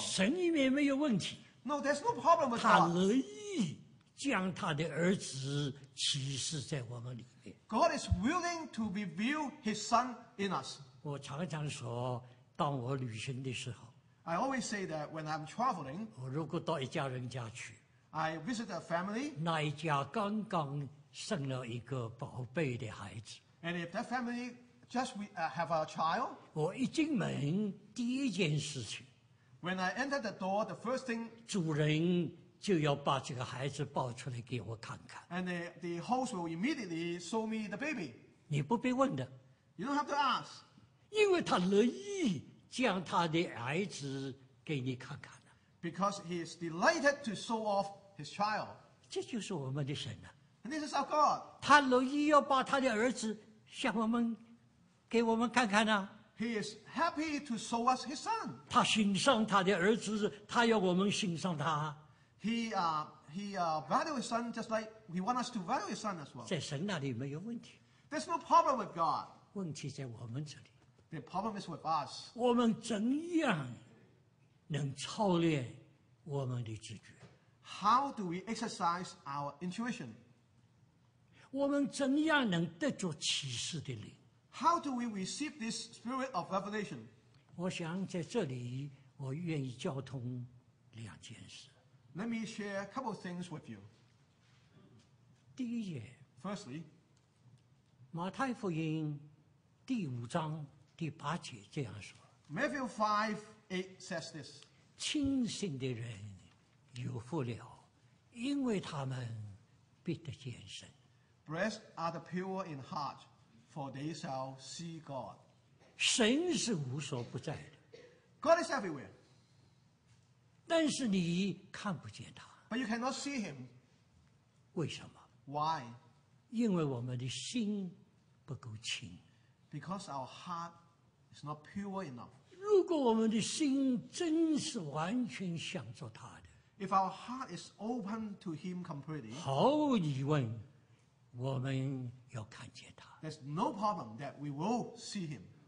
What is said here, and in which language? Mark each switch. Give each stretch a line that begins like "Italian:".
Chinese: 神里面没有问题。
English: No, there's no problem with God.
Chinese: 他乐意。将他的儿子启示在我们里面。
English: God is willing to reveal His Son in us.
Chinese: 我常常说，当我旅行的时候
English: ，I always say that when I'm traveling.
Chinese: 我如果到一家人家去
English: ，I visit a family.
Chinese: 那一家刚刚生了一个宝贝的孩子
English: ，And if that family just have a child.
Chinese: 我一进门，第一件事情
English: ，When I enter the door, the first thing.
Chinese: 主人。就要把这个孩子抱出来给我看看。
English: And the host will immediately show me the baby.
Chinese: 你不必问的。
English: You don't have to ask.
Chinese: 因为他乐意将他的孩子给你看看。
English: Because he is delighted to show off his child.
Chinese: 这就是我们的神啊。
English: And this is our God.
Chinese: 他乐意要把他的儿子向我们给我们看看啊。
English: He is happy to show us his son.
Chinese: 他欣赏他的儿子，他要我们欣赏他。
English: He values his son just like he wants us to value his son as well.
Chinese: 在神那里没有问题。
English: There's no problem with God.
Chinese: 问题在我们这里。
English: The problem is with us.
Chinese: 我们怎样能操练我们的直觉？
English: How do we exercise our intuition?
Chinese: 我们怎样能得着启示的灵？
English: How do we receive this spirit of revelation?
Chinese: 我想在这里，我愿意交通两件事。
English: Let me share a couple of things with you.
Chinese: 第一节
English: Firstly,
Chinese: 马太福音第五章第八节这样说
English: Matthew 5:8 says this.
Chinese: 清醒的人有福了，因为他们必得见神。
English: Blessed are the pure in heart, for they shall see God.
Chinese: 神是无所不在的。
English: God is everywhere.
Chinese: 但是你看不见他。
English: But you cannot see him.
Chinese: 为什么
English: ？Why?
Chinese: 因为我们的心不够清。
English: Because our heart It's not pure enough.
Chinese: 如果我们的心真是完全想着他的,
English: if our heart is open to him completely,
Chinese: 毫无疑问, 我们要看见他,
English: there's no problem that we will see him.